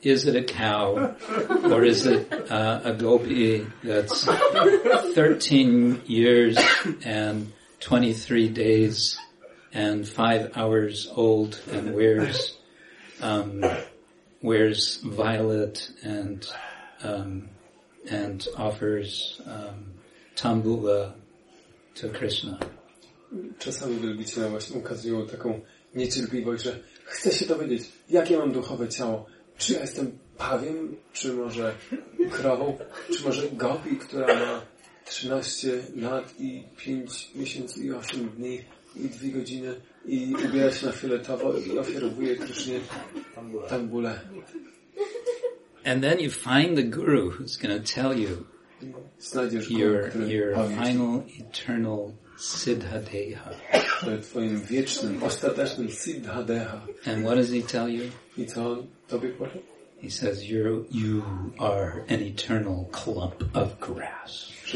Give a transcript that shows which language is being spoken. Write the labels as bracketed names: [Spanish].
[English] Is it a cow? Or is it a gopi that's 13 years and 23 days and 5 hours old and wears violet and offers tambula to Krishna. [Polish] Czasami wielbiciele właśnie ukazują taką niecierpliwość, że chce się dowiedzieć, jakie mam duchowe ciało. Czy ja jestem pawiem, czy może krową, czy może gopi, która ma 13 lat i 5 miesięcy i 8 dni i 2 godziny i ubiera się na fioletowo i ofiarowuje Krysznie tambule. [English] And then you find the guru who's going to tell you your final eternal siddhadeha. [Polish] Twoim wiecznym, ostatecznym siddhadeha. [English] And what does he tell you? [Polish] I co on tobie powie? [English] He says, you are an eternal clump of grass.